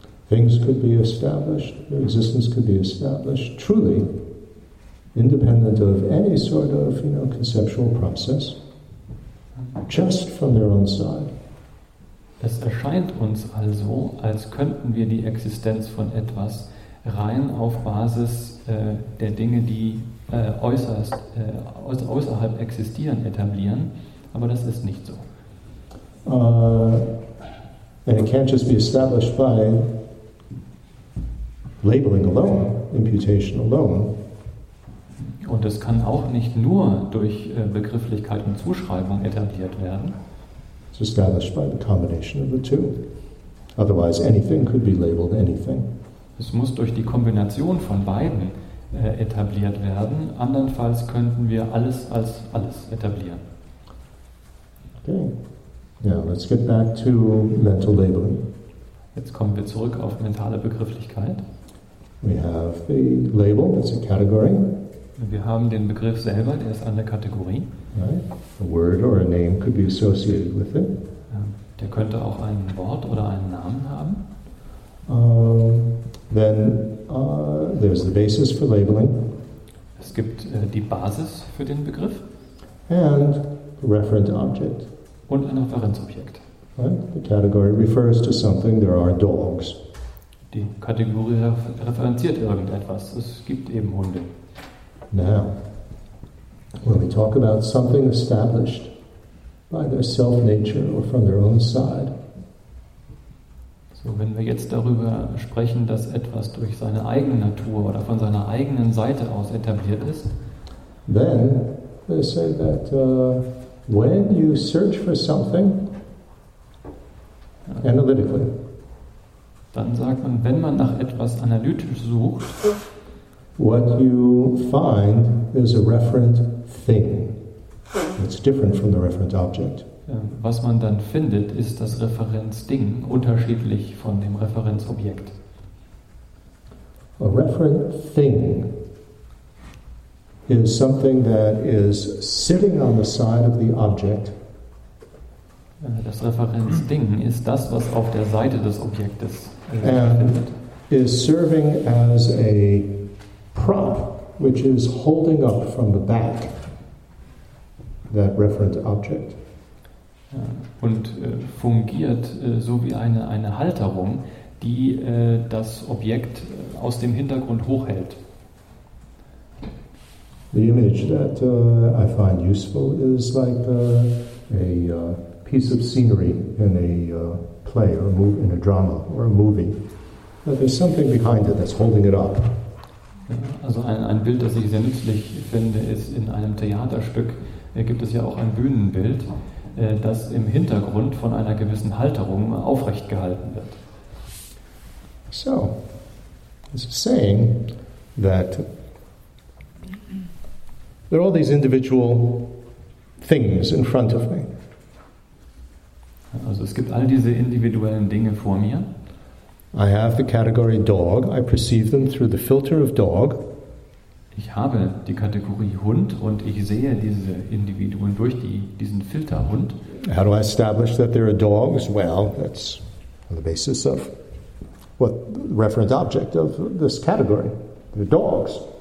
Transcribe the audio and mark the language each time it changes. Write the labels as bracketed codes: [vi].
[en] Things could be established, existence could be established, truly, independent of any sort of, conceptual process, just from their own side. [de] Es erscheint uns also, als könnten wir die Existenz von etwas rein auf Basis der Dinge, die außerhalb existieren, etablieren, aber das ist nicht so. [en] And it can't just be established by labeling alone, imputation alone. [de] Und es kann auch nicht nur durch Begrifflichkeit und Zuschreibung etabliert werden. [en] It's established by the combination of the two. Otherwise anything could be labeled anything. [de] Es muss durch die Kombination von beiden etabliert werden. Andernfalls könnten wir alles als alles etablieren. [en] Okay. Now let's get back to mental labeling. [de] Jetzt kommen wir zurück auf mentale Begrifflichkeit. [en] We have the label, that's a category. [de] Wir haben den Begriff selber, der ist eine Kategorie. [en] Right. A word or a name could be associated with it. [de] Der könnte auch ein Wort oder einen Namen haben. [en] There's the basis for labeling. [de] Es gibt die Basis für den Begriff. [en] And the referent object. [de] Und ein Referenzobjekt. [en] Right. The category refers to something, there are dogs. [de] Die Kategorie referenziert irgendetwas. Es gibt eben Hunde. [en] Now, when we talk about something established by their self-nature or from their own side. [de] So, wenn wir jetzt darüber sprechen, dass etwas durch seine eigene Natur oder von seiner eigenen Seite aus etabliert ist. [en] Then, they say that when you search for something analytically. [de] Dann sagt man, wenn man nach etwas analytisch sucht, [en] what you find is a referent thing. It's different from the referent object. [de] Was man dann findet, ist das Referenzding, unterschiedlich von dem Referenzobjekt. [en] A referent thing is something that is sitting on the side of the object. [de] Das Referenzding ist das, was auf der Seite des Objektes [en] is serving as a prop which is holding up from the back that referent object. [de] Und fungiert so wie eine Halterung, die das Objekt aus dem Hintergrund hochhält. [en] The image that I find useful is like piece of scenery in a play or a movie, in a drama or a movie. But there's something behind it that's holding it up. [de] Also ein Bild, das ich sehr nützlich finde, ist in einem Theaterstück, gibt es ja auch ein Bühnenbild, das im Hintergrund von einer gewissen Halterung aufrecht gehalten wird. [en] So, it's a saying that there are all these individual things in front of me. [de] Also es gibt all diese individuellen Dinge vor mir. [en] I have the category dog. I perceive them through the filter of dog. [de] Ich habe die Kategorie Hund und ich sehe diese Individuen durch diesen Filter Hund. [en] How do I establish that there are dogs? Well, that's on the basis of what the reference object of this category, the dogs.